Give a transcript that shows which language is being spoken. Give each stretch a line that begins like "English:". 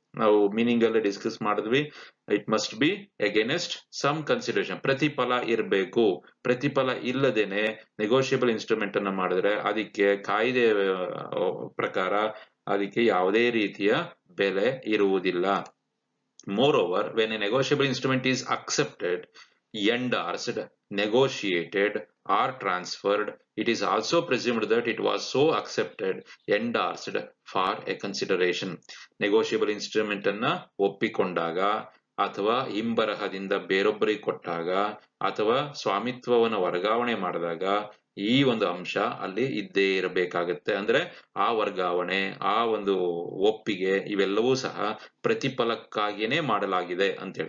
Kannada: ನಾವು ಮೀನಿಂಗ್ ಅಲ್ಲಿ ಡಿಸ್ಕಸ್ ಮಾಡಿದ್ವಿ,
English: It must be against some consideration.
Kannada: ಪ್ರತಿಫಲ ಇರಬೇಕು, ಪ್ರತಿಫಲ ಇಲ್ಲದೇನೆ ನೆಗೋಷಿಯಬಲ್ ಇನ್ಸ್ಟ್ರೂಮೆಂಟ್ ಅನ್ನ ಮಾಡಿದ್ರೆ ಅದಕ್ಕೆ ಕಾಯ್ದೆ ಪ್ರಕಾರ ಅದಕ್ಕೆ ಯಾವುದೇ ರೀತಿಯ ಬೆಲೆ ಇರುವುದಿಲ್ಲ.
English: Moreover, when a negotiable instrument is accepted, endorsed, negotiated, or transferred, it is also presumed that it was so accepted, endorsed for a consideration.
Kannada: Negotiable instrument anna oppikondaga athava himbarahadinda berobbari kottaga athava swamitvavana vargavane madadaga ಈ ಒಂದು ಅಂಶ ಅಲ್ಲಿ ಇದ್ದೇ ಇರಬೇಕಾಗುತ್ತೆ. ಅಂದ್ರೆ ಆ ವರ್ಗಾವಣೆ, ಆ ಒಂದು ಒಪ್ಪಿಗೆ ಇವೆಲ್ಲವೂ ಸಹ ಪ್ರತಿಫಲಕ್ಕಾಗಿಯೇ ಮಾಡಲಾಗಿದೆ ಅಂತೇಳಿ.